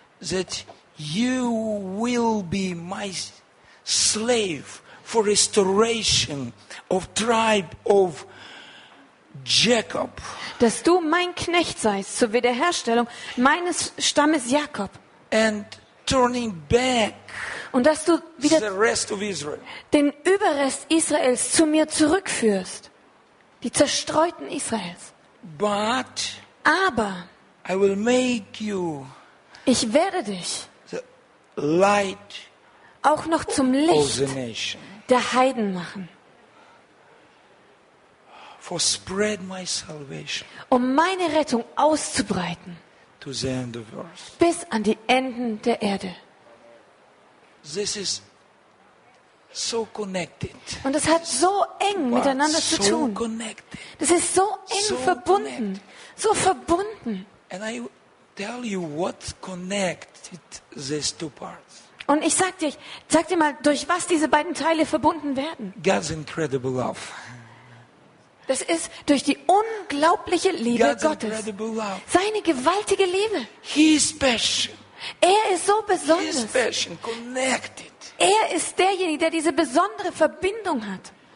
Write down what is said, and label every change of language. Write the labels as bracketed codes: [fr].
[en] that you will be my slave for restoration of tribe of Jacob. [de] Dass du mein Knecht seist zur Wiederherstellung meines Stammes Jakob. [en] And turning back. [de] Und dass du wieder [en] the rest of Israel. [de] Den Überrest Israels zu mir zurückführst. Die zerstreuten Israels. [en] But [de] aber [en] I will make you [de] ich werde dich [en] the light [de] auch noch zum Licht der Heiden machen. [en] For spread my salvation. [de] Um meine Rettung auszubreiten. [en] To the end of earth. [de] Bis an die Enden der Erde. [en] This is so connected. [de] Und das hat so eng miteinander zu tun. Das ist so eng verbunden. So verbunden. [en] And I tell you what connected these two parts. [de] Und ich sag dir mal, durch was diese beiden Teile verbunden werden. [en] God's incredible love. [de] Das ist durch die unglaubliche Liebe [en] God's [de] Gottes. Seine gewaltige Liebe. Er ist so besonders. Er ist derjenige, der diese besondere Verbindung hat.